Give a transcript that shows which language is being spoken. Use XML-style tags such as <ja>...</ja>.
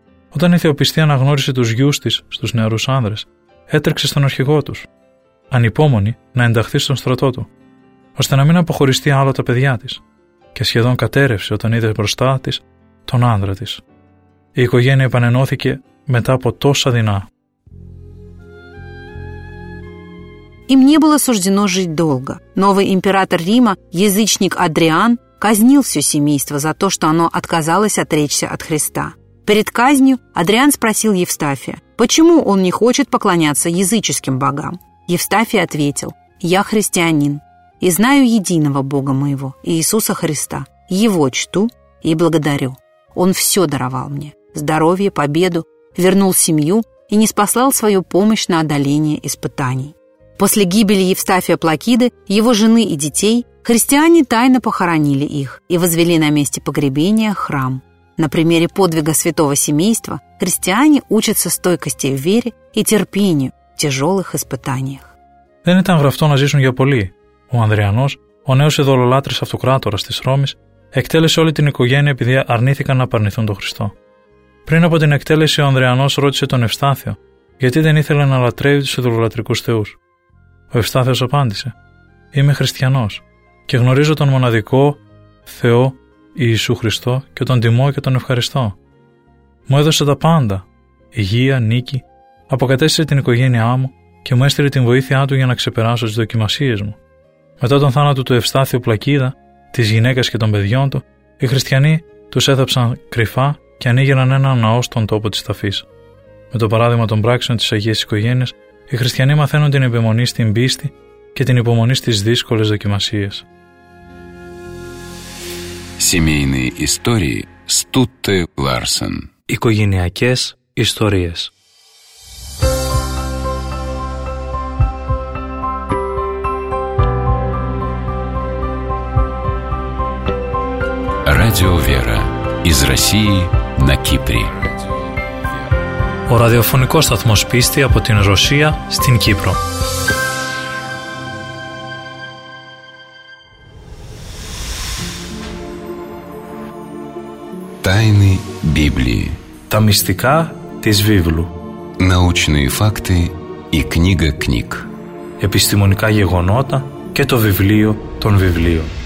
<el>Όταν η Θεοπιστή αναγνώρισε τους γιους της στους νεαρούς άνδρες, έτρεξε στον αρχηγό τους, ανυπόμονη να ενταχθεί στον στρατό του, ώστε να μην αποχωριστεί άλλο τα παιδιά της, και σχεδόν κατέρευσε όταν είδε μπροστά της τον άνδρα της. Η οικογένεια επανενώθηκε μετά από τόσα δεινά.</el> <ru>Им не было суждено жить долго. Новый император Рима, язычник Адриан, казнил все семейство за то, что оно отказалось отречься от Христа. Перед казнью Адриан спросил Евстафия, почему он не хочет поклоняться языческим богам. Евстафий ответил, «Я христианин и знаю единого Бога моего, Иисуса Христа. Его чту и благодарю. Он все даровал мне – здоровье, победу, вернул семью и ниспослал свою помощь на одоление испытаний». После гибели Евстафия Плакиды, его жены и детей, христиане тайно похоронили их и возвели на месте погребения храм. На примере подвига святого семейства христиане учатся стойкости в вере и терпению в тяжелых испытаниях.</ru> <el>Δεν ήταν γραφτό να ζήσουν για πολύ. Ο Ανδριανός, ο νέος ειδωλολάτρης αυτοκράτορας της Ρώμης, εκτέλεσε όλη την οικογένεια επειδή αρνήθηκαν να παρνηθούν τον Χριστό. Πριν από την εκτέλεση, ο Ανδριανός ρώτησε τον Ευστάθιο γιατί δεν ήθελε να λατρεύει τους ειδωλολατρικούς θεούς. Ο Ευστάθιος απάντησε «Είμαι χριστιανός και γνωρίζω τον μοναδικό Θεό Ιησού Χριστό και τον τιμώ και τον ευχαριστώ. Μου έδωσε τα πάντα, υγεία, νίκη, αποκατέστησε την οικογένειά μου και μου έστειλε την βοήθειά του για να ξεπεράσω τις δοκιμασίες μου». Μετά τον θάνατο του Ευστάθιου Πλακίδα, της γυναίκας και των παιδιών του, οι χριστιανοί τους έθαψαν κρυφά και ανοίγαιναν ένα ναό στον τόπο της ταφής. Με το παράδειγμα των πράξεων της Αγίας Οικογένειας, οι χριστιανοί μαθαίνουν την υπομονή στην πίστη και την υπομονή στις δύσκολες δοκιμασίες.</el> <ru>Семейные истории Стутте Ларсен.</ru> <el>Οικογενειακές ιστορίες.</el> <ru>Радио Вера. Из России на Кипре.</ru> <el>Ο ραδιοφωνικός σταθμός πίστη από την Ρωσία στην Κύπρο.</el> <ru>Тайны Библии.</ru> <el>Τα μυστικά της Βίβλου.</el> <ru>Научные факты и книга книг.</ru> <el>Επιστημονικά γεγονότα και το βιβλίο των βιβλίων.</el>